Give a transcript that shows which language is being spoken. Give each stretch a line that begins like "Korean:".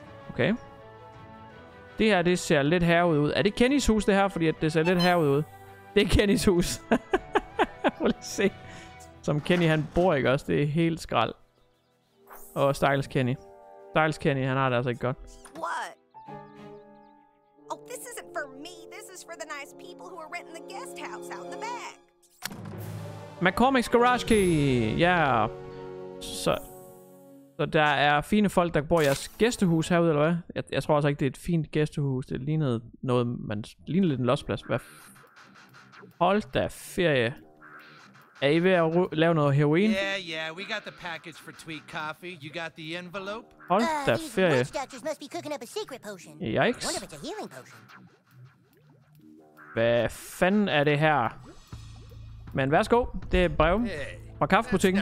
Danish: Okay. Det her, det ser lidt herude ud. Er det Kennys hus, det her? Fordi det ser lidt herude ud. Det er Kennys hus. Prøv lige se. Som Kenny, han bor ikke også. Det er helt skrald. Åh, Styles Kenny. Styles Kenny, han har det altså ikke godt.
English: What? Oh, this isn't for me. This is for the nice people who are renting the guest house out in the back.
Danish: McCormick's Garage Key. Ja.
English: Yeah.
Danish: Så der er fine folk, der bor i jeres gæstehus herude, eller hvad? Jeg tror altså ikke, det er et fint gæstehus. Det lignede noget, man lignede lidt en lostplads. Hold da ferie. Er I ved at lave noget heroin?
English: Yeah, we got the package for tweet coffee. You got the envelope?
Danish: Hold da ferie.
English: These must be cooking up a secret potion. Yikes. I wonder if it's a healing potion.
Danish: Hvad fanden er det her? Men værsgo, det er brev fra kaffebutikken.